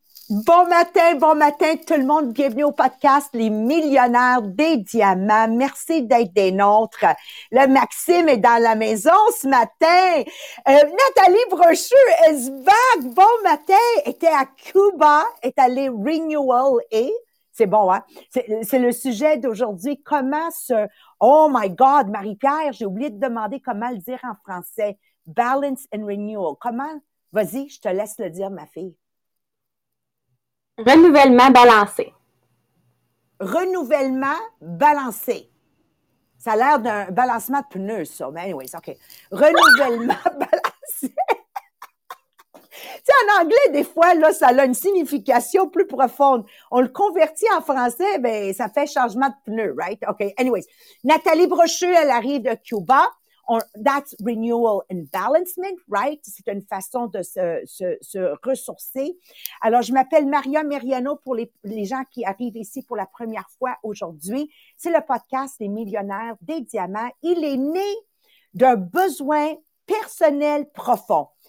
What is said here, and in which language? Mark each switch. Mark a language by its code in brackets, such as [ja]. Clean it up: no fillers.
[fr] Bon matin tout le monde, bienvenue au podcast Les Millionnaires des Diamants. Merci d'être des nôtres. Le Maxime est dans la maison ce matin. [en] Nathalie Brochu is back. [fr] Bon matin, était à Cuba, est allée Renewal et c'est bon, hein? C'est le sujet d'aujourd'hui. Comment se... [en] Oh my God, [fr] Marie-Pierre, j'ai oublié de demander comment le dire en français. [en] Balance and Renewal. [fr] Comment? Vas-y, je te laisse le dire, ma fille. Renouvellement balancé. Renouvellement balancé. Ça a l'air d'un balancement de pneus, ça. Mais anyways, OK. Renouvellement balancé. Tu sais, en anglais, des fois, là, ça a une signification plus profonde. On le convertit en français, ben ça fait changement de pneus, [en] right? [fr] OK, anyways. Nathalie Brochu, elle arrive de Cuba. [en] That's renewal and balancement, right? [fr] C'est une façon de se ressourcer. Alors, je m'appelle Maria Meriano pour les gens qui arrivent ici pour la première fois aujourd'hui. C'est le podcast des millionnaires des diamants. Il est né d'un besoin personnel profond.